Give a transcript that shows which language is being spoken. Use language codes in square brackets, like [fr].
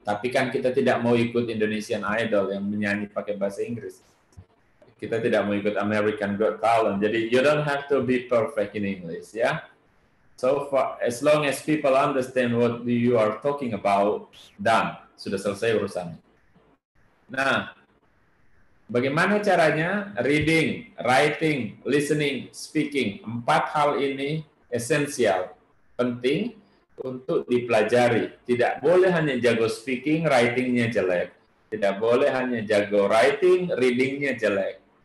[id] Tapi kan kita tidak mau ikut Indonesian Idol yang menyanyi pakai bahasa Inggris. Kita tidak mau ikut American Got Talent. [en] Jadi, you don't have to be perfect in English, ya. So far, as long as people understand what you are talking about, done. [id] Sudah selesai urusannya. Nah, bagaimana caranya? Reading, writing, listening, speaking. Empat hal ini esensial, penting untuk dipelajari. Tidak boleh hanya jago speaking, writing-nya jelek. Tidak boleh hanya jago writing, reading-nya jelek.